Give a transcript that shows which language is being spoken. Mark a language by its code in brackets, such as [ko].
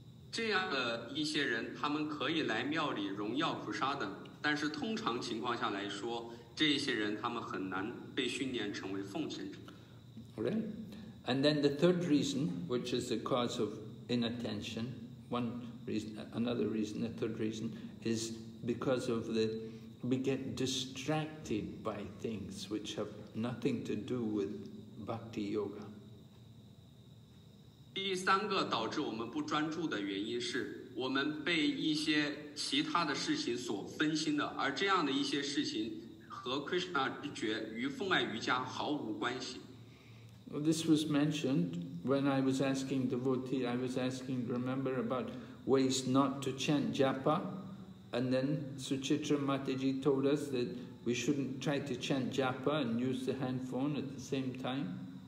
[zh] 这样的一些人，他们可以来庙里荣耀普沙等，但是通常情况下来说，这些人他们很难被训练成为奉献者。 [en] Right. And then the third reason, which is the cause of inattention, one reason, another reason, the third reason is because of the, we get distracted by things which have nothing to do with bhakti yoga. [zh] 第三个导致我们不专注的原因是我们被一些其他的事情所分心的，而这样的一些事情和 Krishna 之觉与奉爱瑜伽毫无关系。 [en] This was mentioned when I was asking devotee, I was asking, remember about ways not to chant japa? And then Suchitra Mataji told us that we shouldn't try to chant japa and use the handphone at the same time.